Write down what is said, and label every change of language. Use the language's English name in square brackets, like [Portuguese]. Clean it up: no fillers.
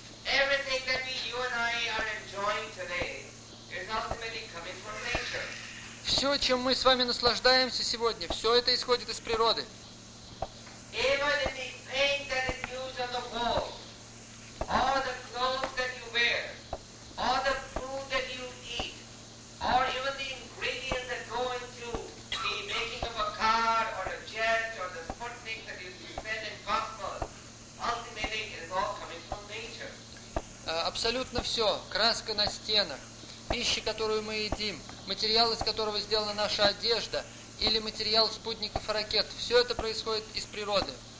[English] Everything that we, you and I, are enjoying today is ultimately coming from nature. [Russian] Все, чем мы с вами наслаждаемся сегодня, все это исходит из природы. [English] Even in the paint that is used on the wall, all the clothes that you wear, all the food that you eat, or even the ingredients that go into the making of a car or a jet or the Sputnik that you spend in Costco, ultimately it is all coming from nature. [Russian] Абсолютно все. Краска на стенах, пища, которую мы едим, материал, из которого сделана наша одежда, или материал спутников и ракет. Все это происходит из природы.